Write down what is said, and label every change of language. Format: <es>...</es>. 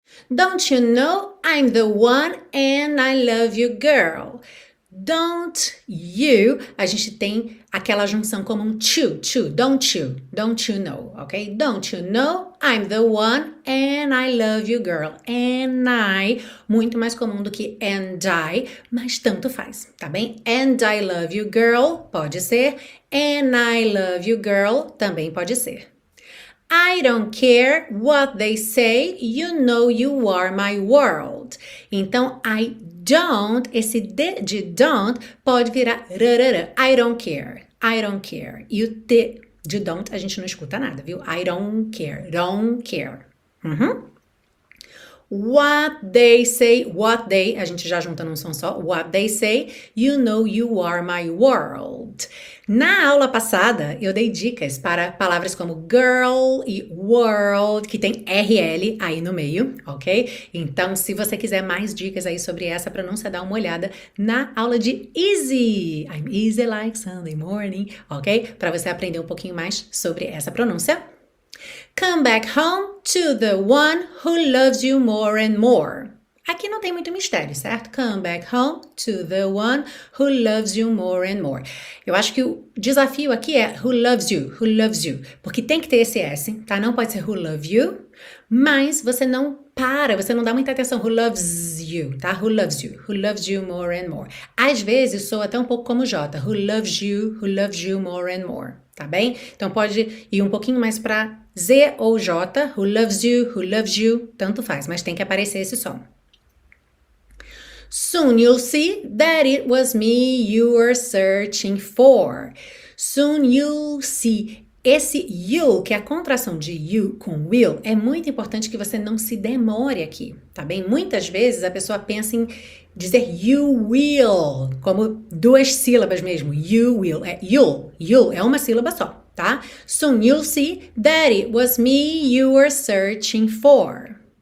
<en>Don't you know I'm the one and I love you, girl? Don't you,</en> <pt>a gente tem aquela junção como um to,</pt> <en>don't you know,</en> <pt>ok?</pt> <en>Don't you know, I'm the one and I love you, girl. And I,</en> <pt>muito mais comum do que and I, mas tanto faz, tá bem?</pt> <en>And I love you, girl,</en> <pt>pode ser.</pt> <en>And I love you, girl,</en> <pt>também pode ser.</pt> <en>I don't care what they say, you know you are my world.</en> <pt>Então,</pt> <en>I don't,</en> <pt>esse D de don't pode virar rarara.</pt> <en>I don't care.</en> <pt>E o T de don't a gente não escuta nada, viu?</pt> <en>I don't care,</en> <pt>uhum.</pt> <en>What they,</en> <pt>a gente já junta num som só,</pt> <en>what they say, you know you are my world.</en> <pt>Na aula passada, eu dei dicas para palavras como girl e world, que tem RL aí no meio, ok? Então, se você quiser mais dicas aí sobre essa pronúncia, dá uma olhada na aula de easy.</pt> <en>I'm easy like Sunday morning, ok?</en> <pt>Para você aprender um pouquinho mais sobre essa pronúncia.</pt> <en>Come back home to the one who loves you more and more.</en> <pt>Aqui não tem muito mistério, certo?</pt> <en>Come back home to the one who loves you more and more.</en> <pt>Eu acho que o desafio aqui é</pt> <en>who loves you,</en> <pt>porque tem que ter esse S, tá? Não pode ser</pt> <en>who love you,</en> <pt>mas você não para, você não dá muita atenção,</pt> <en>who loves you,</en> <pt>tá?</pt> <en>Who loves you more and more.</en> <pt>Às vezes soa até um pouco como J,</pt> <en>who loves you more and more.</en> <pt>Tá bem? Então pode ir um pouquinho mais para Z ou J,</pt> <en>who loves you,</en> <pt>tanto faz, mas tem que aparecer esse som.</pt> <en>Soon you'll see that it was me you were searching for. Soon you'll see.</en> <pt>Esse you, que é a contração de you com will, é muito importante que você não se demore aqui, tá bem? Muitas vezes a pessoa pensa em dizer</pt> <en>you will,</en> <pt>como duas sílabas mesmo, you will, é you'll, you'll, é uma sílaba só, tá?</pt> <en>Soon you'll see that it was me you were searching for.</en>